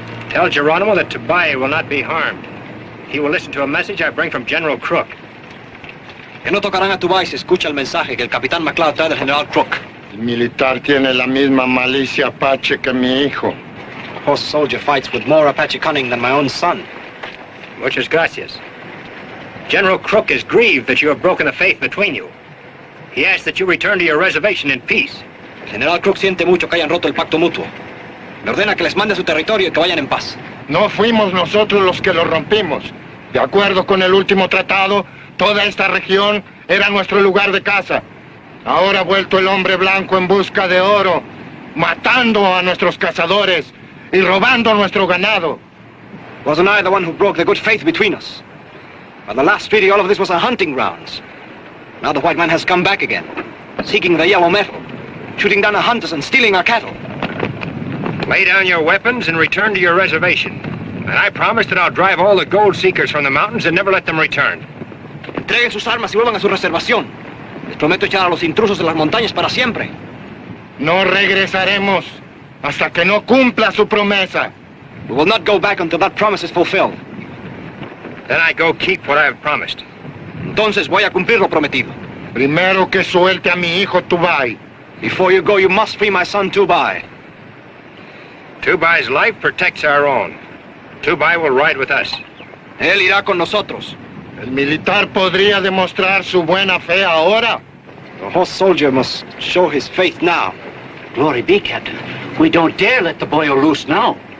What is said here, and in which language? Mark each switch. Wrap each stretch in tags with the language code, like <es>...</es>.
<en>Tell Geronimo that Tobias will not be harmed. He will listen to a message I bring from General Crook.</en> <es>Que no tocarán a Tobias, escucha el mensaje que el Capitán McLeod trae del General Crook. El militar tiene la misma malicia Apache que mi hijo.</es> <en>Our soldier fights with more Apache cunning than my own son.</en> <es>Muchas gracias.</es> <en>General Crook is grieved that you have broken the faith between you. He asks that you return to your reservation in peace.</en> <es>General Crook siente mucho que hayan roto el pacto mutuo. Me ordena que les mande a su territorio y que vayan en paz. No fuimos nosotros los que lo rompimos. De acuerdo con el último tratado, toda esta región era nuestro lugar de casa. Ahora ha vuelto el hombre blanco en busca de oro, matando a nuestros cazadores y robando nuestro ganado.</es> <en>Wasn't I the one who broke the good faith between us? By the last treaty, all of this was a hunting grounds. Now the white man has come back again, seeking the yellow metal, shooting down our hunters and stealing our cattle. Lay down your weapons and return to your reservation. And I promise that I'll drive all the gold seekers from the mountains and never let them return.</en> <es>Entreguen sus armas y vuelvan a su reservación. Les prometo echar a los intrusos de las montañas para siempre. No regresaremos hasta que no cumpla su promesa.</es> <en>We will not go back until that promise is fulfilled. Then I go keep what I have promised.</en> <es>Entonces voy a cumplir lo prometido. Primero que suelte a mi hijo Tubai.</es> <en>Before you go, you must free my son Tubai. Tubai's life protects our own. Tubai will ride with us.</en> <es>Él irá con nosotros. El militar podría demostrar su buena fe ahora.</es> <en>The horse soldier must show his faith now. Glory be, Captain. We don't dare let the boy loose now.</en>